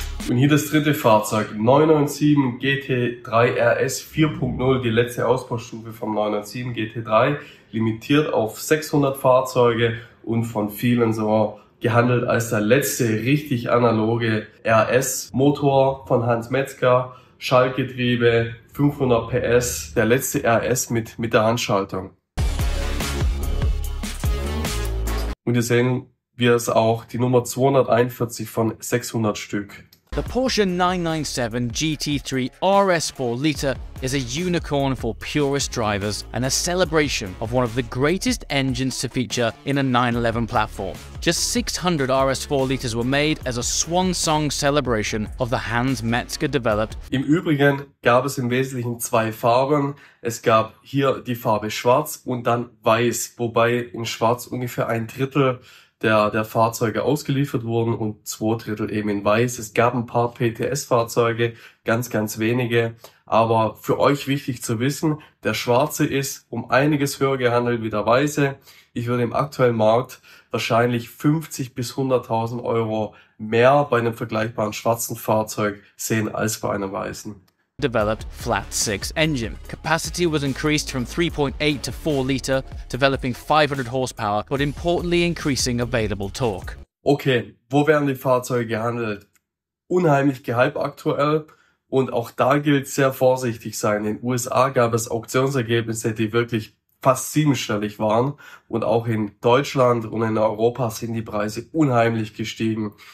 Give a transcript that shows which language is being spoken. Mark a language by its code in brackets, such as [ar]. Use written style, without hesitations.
[de] Und hier das dritte Fahrzeug, 997 GT3 RS 4.0, die letzte Ausbaustufe vom 997 GT3, limitiert auf 600 Fahrzeuge und von vielen so gehandelt als der letzte richtig analoge RS-Motor von Hans Metzger, Schaltgetriebe, 500 PS, der letzte RS mit der Handschaltung. Und hier sehen wir es auch, die Nummer 241 von 600 Stück. [en] The Porsche 997 GT3 RS4 Liter is a unicorn for purist drivers and a celebration of one of the greatest engines to feature in a 911 platform. Just 600 RS4 Liters were made as a swan song celebration of the Hans Metzger developed. [de] Im Übrigen gab es im Wesentlichen zwei Farben. Es gab hier die Farbe Schwarz und dann Weiß, wobei in Schwarz ungefähr ein Drittel der Fahrzeuge ausgeliefert wurden und zwei Drittel eben in Weiß. Es gab ein paar PTS-Fahrzeuge, ganz, ganz wenige. Aber für euch wichtig zu wissen, der Schwarze ist um einiges höher gehandelt wie der Weiße. Ich würde im aktuellen Markt wahrscheinlich 50.000 bis 100.000 Euro mehr bei einem vergleichbaren schwarzen Fahrzeug sehen als bei einem Weißen. [en] Developed flat six engine. Capacity was increased from 3.8 to 4 liter, developing 500 horsepower, but importantly increasing available torque. [de] Okay, wo werden die Fahrzeuge gehandelt? Unheimlich gehypt aktuell und auch da gilt sehr vorsichtig sein. In den USA gab es Auktionsergebnisse, die wirklich fast siebenstellig waren und auch in Deutschland und in Europa sind die Preise unheimlich gestiegen.